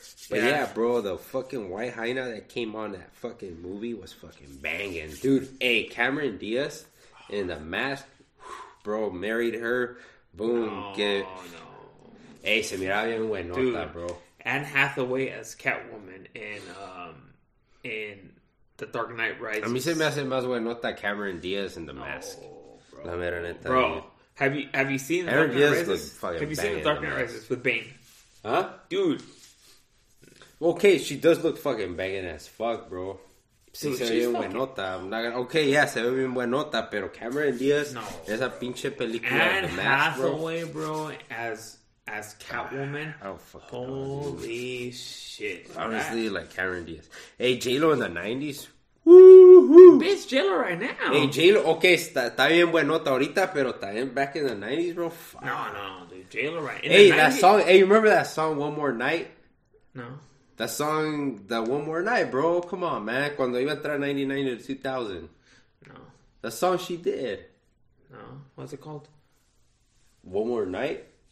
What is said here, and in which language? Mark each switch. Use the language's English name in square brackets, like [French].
[English] But yeah, bro, the fucking white hyena that came on that fucking movie was fucking banging. Dude, hey, Cameron Diaz in the mask, bro, married her. [Spanish] Boom, Hey, se mira bien buenota, bro. [English] Anne Hathaway as Catwoman in The Dark Knight Rises. [Spanish] A mí se me hace más buenota Cameron Diaz [English] in the mask. [Spanish] La mera neta, [English] bro. Have you seen The Dark Knight Rises? Have you seen The Dark Knight Rises with Bane? Huh? Dude. Okay, she does look fucking banging as fuck, bro. [Spanish] Dude, si se ve buenota. Okay, yeah, se ve bien buenota, pero Cameron Diaz, esa pinche película de [English] The Mask, bro. Anne Hathaway, bro, as Catwoman. I don't fucking know. Holy shit. Honestly, like Cameron Diaz. Hey, J-Lo in the 90s? Woo-hoo. Bitch, J-Lo right now. [Spanish] Hey, J-Lo, okay, está bien buenota ahorita, pero también [English] back in the 90s, bro. No, dude, J-Lo right in hey, the 90s. Hey, that song, hey, you remember that song, One More Night? No. That song, That One More Night, bro. Come on, man. [Spanish] Cuando iba a entrar [English] 99 to 2000. No. That song she did. No. What's it called? One More Night?